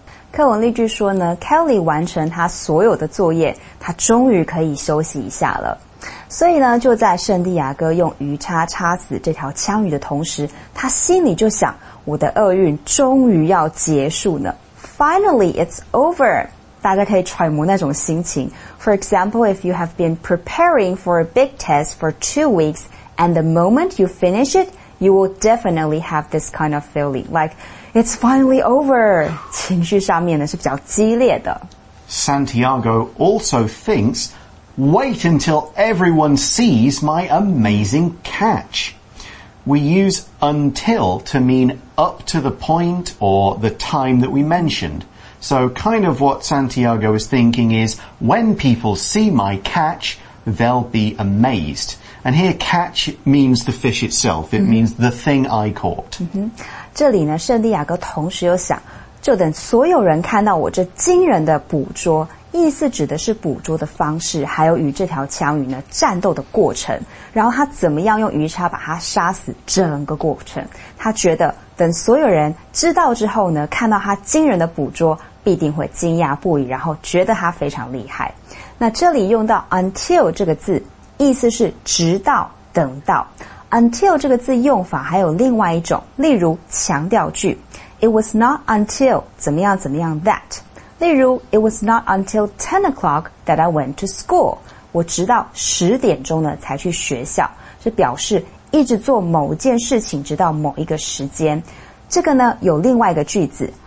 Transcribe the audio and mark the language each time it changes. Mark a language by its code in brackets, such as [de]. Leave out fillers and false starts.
[zh] 课文例句说呢， Kelly 完成她所有的作业，她终于可以休息一下了。所以呢，就在圣地亚哥用鱼叉叉死这条枪鱼的同时，他心里就想，我的厄运终于要结束了。 [en] Finally, it's over. [zh] 大家可以揣摩那种心情。 [en] For example, if you have been preparing for a big test for 2 weeks, and the moment you finish it, you will definitely have this kind of feeling. Like, it's finally over. [zh] 情绪上面呢，是比较激烈的。 [en] Santiago also thinks... Wait until everyone sees my amazing catch. We use until to mean up to the point or the time that we mentioned. So kind of what Santiago is thinking is, when people see my catch, they'll be amazed. And here catch means the fish itself. It means the thing I caught. [zh] 这里呢，圣地亚哥同时又想，就等所有人看到我这惊人的捕捉。意思指的是捕捉的方式，还有与这条枪鱼呢战斗的过程，然后他怎么样用鱼叉把它杀死整个过程。他觉得等所有人知道之后呢，看到他惊人的捕捉，必定会惊讶不已，然后觉得他非常厉害。那这里用到 until 这个字，意思是直到、等到。 until 这个字用法还有另外一种，例如强调句 ， [en] It was not until [zh] 怎么样怎么样 that。例如 [en] ,it was not until 10 o'clock that I went to school. [zh] 我直到十点钟呢才去学校。这表示一直做某件事情直到某一个时间。这个呢有另外一个句子。